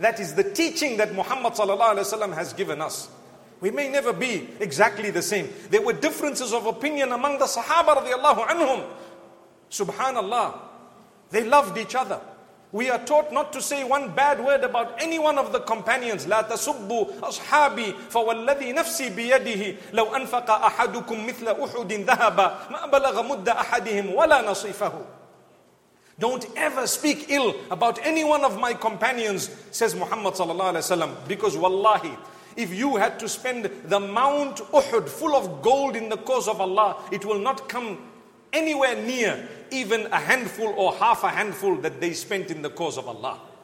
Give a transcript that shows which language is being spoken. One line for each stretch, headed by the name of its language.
English: That is the teaching that Muhammad sallallahu alaihi wasallam has given us. We may never be exactly the same. There were differences of opinion among the Sahaba radiallahu anhum. Subhanallah. They loved each other. We are taught not to say one bad word about any one of the companions.
Arabic: لا تسبوا أصحابي فوالذي نفسي بيده لو أنفق أحدكم مثل أحد ذهبا ما بلغ مد أحدهم ولا نصيفه.
English: Don't ever speak ill about any one of my companions, says Muhammad sallallahu alaihi wasallam, because wallahi, if you had to spend the Mount Uhud full of gold in the cause of Allah, it will not come anywhere near even a handful or half a handful that they spent in the cause of Allah.